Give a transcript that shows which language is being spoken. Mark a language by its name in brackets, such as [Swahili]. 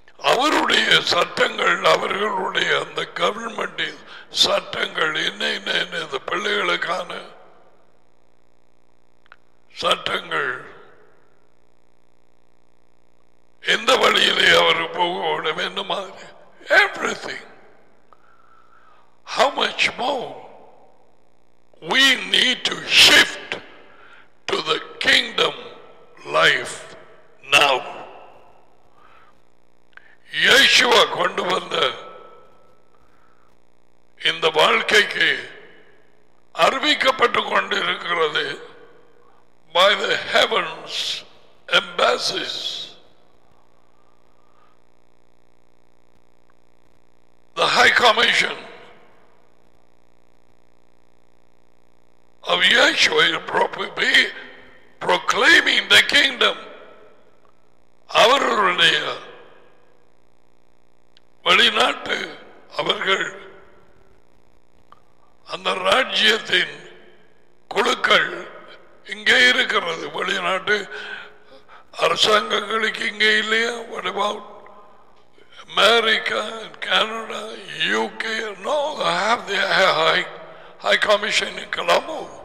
[Tamil] அவருடைய சட்டங்கள், அவர்களுடைய அந்த கவர்மெண்டின் சட்டங்கள் என்ன என்ன என்ன, இந்த பிள்ளைகளுக்கான சட்டங்கள், எந்த வழியிலே அவர் போக வேண்டும், என்ன மாதிரி, everything. [English] How much more we need to shift to the kingdom life now. [Tamil] Yeshua கொண்டு வந்த இந்த வாழ்க்கைக்கு அறிவிக்கப்பட்டு கொண்டிருக்கிறது [English] by the heavens embassies, the high commission of Yeshua will probably be proclaiming the kingdom. [Tamil] அவருடைய வெளிநாட்டு அவர்கள் அந்த ராஜ்யத்தின் குழுக்கள் இங்கே இருக்கிறது. வெளிநாட்டு அரசாங்கங்களுக்கு இங்கே இல்லையா? [English] What about America and Canada, UK? No, they have the high commission in Colombo.